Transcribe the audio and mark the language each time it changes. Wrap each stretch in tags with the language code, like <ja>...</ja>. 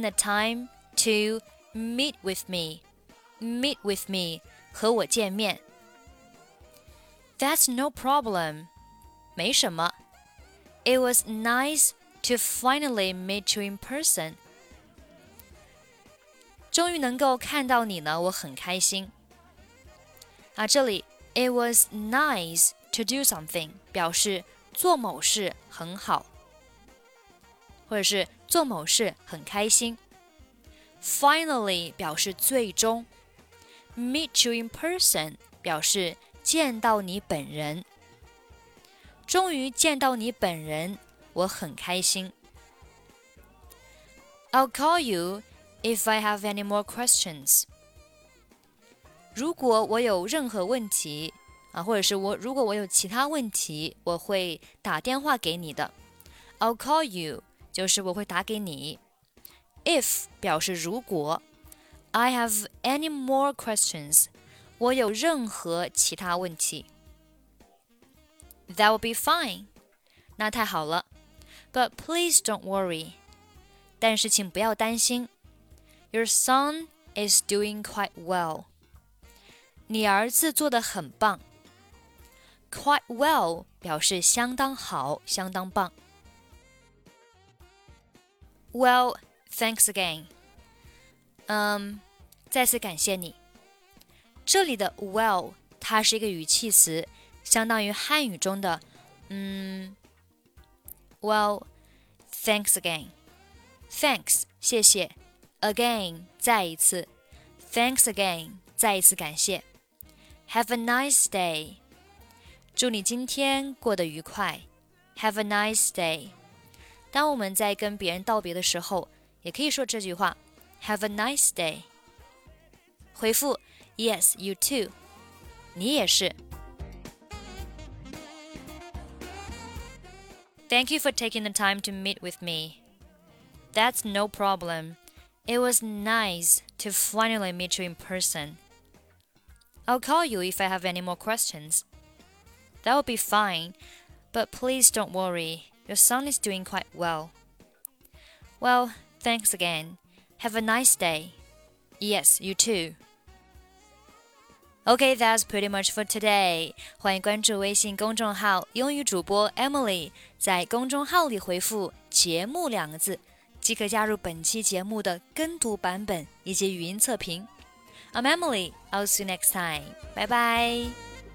<en>the time to meet with me Meet with me</en> <zh>和我见面</zh> <en>That's no problem</en> <zh>没什么</zh> <en>It was nice to finally meet you in person</en> <zh>终于能够看到你呢，我很开心。啊，这里</zh> <en>It was nice to do something</en> <zh>表示做某事很好，或者是做某事很开心。 Finally 表示最终，</zh> <en>meet you in person</en> <zh>表示见到你本人。终于见到你本人，我很开心。</zh> <en>I'll call you. If I have any more questions.</en> <zh>如果我有任何问题、啊、或者是我如果我有其他问题我会打电话给你的。</zh> <en>I'll call you,</en> <zh>就是我会打给你。If 表示如果</zh> <en>I have any more questions,</en> <zh>我有任何其他问题。</zh> <en>That will be fine.</en> <zh>那太好了。</zh> <en>But please don't worry.</en> <zh>但是请不要担心。</zh> <en>Your son is doing quite well.</en> <zh>你儿子做得很棒。 Quite well 表示相当好，相当棒。</zh> <en>Well, thanks again.</en> <zh>再次感谢你。这里的 well 它是一个语气词，相当于汉语中的</zh> <en>Well, thanks again.</en> <zh>Thanks, 谢谢。 Again, 再一次。 Thanks again, 再一次感谢。</zh> <en>Have a nice day.</en> <zh>祝你今天过得愉快。</zh> <en>Have a nice day.</en> <zh>当我们在跟别人道别的时候，也可以说这句话。</zh> <en>Have a nice day. 回复 Yes, you too.</en> <zh>你也是。</zh> <en>Thank you for taking the time to meet with me. That's no problem. It was nice to finally meet you in person. I'll call you if I have any more questions. That would be fine, but please don't worry. Your son is doing quite well. Well, thanks again. Have a nice day. Yes, you too. Okay, that's pretty much for today.</en> <zh>欢迎关注微信公众号英语主播 Emily, 在公众号里回复节目两个字即可加入本期节目的跟读版本以及语音测评。</zh> <en>I'm Emily, I'll see you next time. Bye bye!</en>